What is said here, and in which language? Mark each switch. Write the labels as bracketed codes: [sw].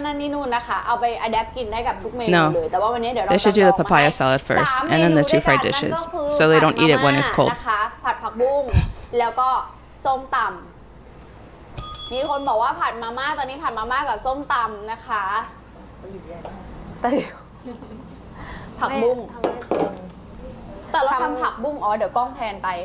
[th] นั่นนี่นู่นนะคะเอาไป adapt กินได้กับทุกเมนูเลยแต่ว่าวันนี้เดี๋ยวเรา [en] They should do the papaya salad first and then the two fried dishes so they don't eat it when it's cold [th] นะคะผัดผักบุ้งแล้วก็ส้มตำมีคนบอกว่าผัดมาม่าตอนนี้ผัดมาม่ากับส้มตำนะคะ แต่เดี๋ยว ผักบุ้งแต่เราทำผักบุ้งอ๋อเดี๋ยวกล้องแพนไป